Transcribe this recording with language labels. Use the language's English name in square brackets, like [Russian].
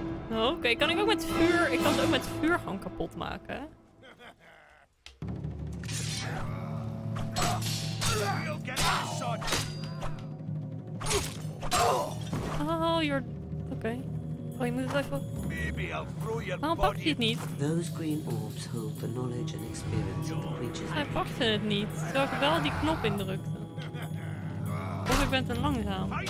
[Dutch] Oké, okay, kan ik ook met vuur? Ik kan het ook met vuur gewoon kapot maken. [English] Oh, you're okay. [Dutch] Oh, je moet het even. Waarom pakt hij het niet? [English] Those green orbs hold the knowledge and experience of the creatures. [Dutch] Hij pakte het niet, terwijl ik wel die knop indrukte. Of ik ben te langzaam.